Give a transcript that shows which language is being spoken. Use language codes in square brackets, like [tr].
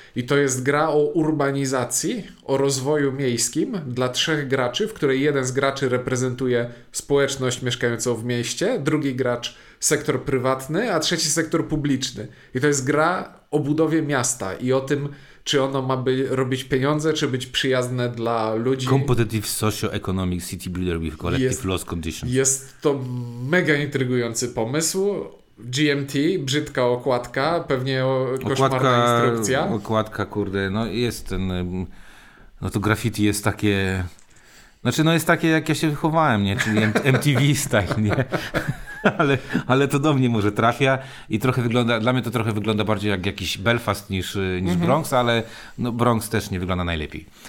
[pl] I to jest gra o urbanizacji, o rozwoju miejskim dla 3 graczy, w której jeden z graczy reprezentuje społeczność mieszkającą w mieście, drugi gracz sektor prywatny, a trzeci sektor publiczny. I to jest gra o budowie miasta i o tym, czy ono ma robić pieniądze, czy być przyjazne dla ludzi. [en] Competitive socio-economic city builder with collective loss condition. [pl] Jest to mega intrygujący pomysł. GMT, brzydka okładka, pewnie koszmarna instrukcja. Okładka, kurde, no jest ten, no to graffiti jest takie, znaczy no jest takie, jak ja się wychowałem, nie? Czyli MTV style, nie? Ale to do mnie może trafia i trochę wygląda, dla mnie to trochę wygląda bardziej jak jakiś Belfast niż Bronx, ale no Bronx też nie wygląda najlepiej.